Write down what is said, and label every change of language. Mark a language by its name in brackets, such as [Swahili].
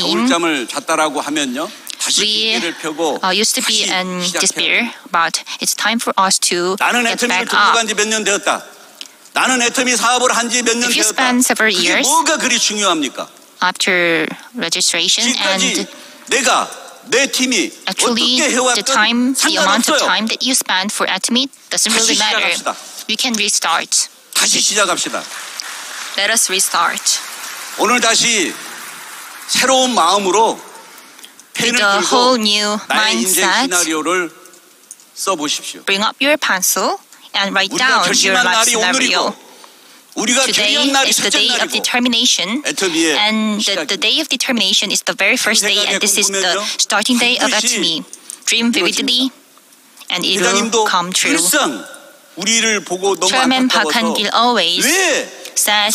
[Korean] 겨울잠을 잤다라고 하면요, 다시 기대를 펴고 [English] used to be in despair, but it's time for us to get back up. [Korean] 나는 애터미 동부 간지 몇 년 되었다. 나는 애터미 사업을 한지 몇 년 되었다. [English] If you spend several years, [Korean] 그게 뭐가 그리 중요합니까? [English] After registration and [Korean] 내가 내 팀이 [English] actually, [Korean] 어떻게 해왔던 [English] the time, [Korean] 상관없어요. [English] The amount of time that you spend for Atomy doesn't really matter. [Korean] 다시 시작합시다. [English] We can restart. [Korean] 다시 시작합시다. [English] Let us restart. [Korean] 오늘 다시 새로운 마음으로 펜을 들고 [English] whole new [Korean] 나의 [English] mindset, [Korean] 인생 시나리오를 써보십시오. [English] Bring up your pencil and write down your life scenario. [Korean] 우리가 결심한 날이 오늘이고 우리가 [English] Today is the day of determination, and the day of determination is the very first day, and this is the starting day of Atomy. Dream vividly, and it will come true. [Korean] 우리를 보고 너무 [English] Chairman Park Hyun-kye always says